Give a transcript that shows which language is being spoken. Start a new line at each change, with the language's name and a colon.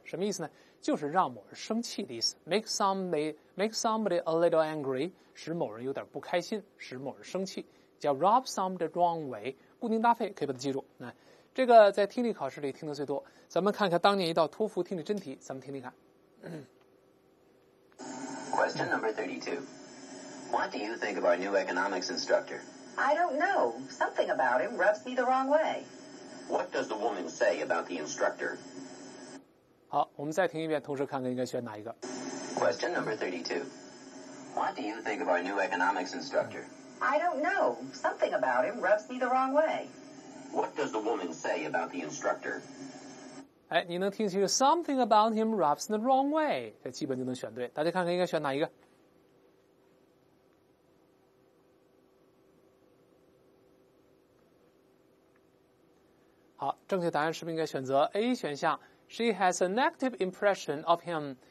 Chinese: 什么意思呢？就是让某人生气的意思，
English: make somebody a little angry，
Chinese: 使某人有点不开心，使某人生气，叫
English: rub somebody the wrong way，
Chinese: 固定搭配可以把它记住。那这个在听力考试里听得最多，咱们看看当年一道托福听力真题，咱们听听看。
English: Question number 32. What do you think of our new economics instructor? I don't know. Something about him rubs me the wrong way. What does the woman say about the instructor?
Chinese: 好，我们再听一遍，同时看看应该选哪一个。
English: Question number 32. What do you think of our new economics instructor? I don't know. Something about him rubs me the wrong way. What does the woman say about the instructor?
Chinese: 哎，你能听清楚
English: something about him rubs the wrong way，
Chinese: 这基本就能选对。大家看看应该选哪一个？好，正确答案是不是应该选择 A 选项 ？
English: She has a negative impression of him。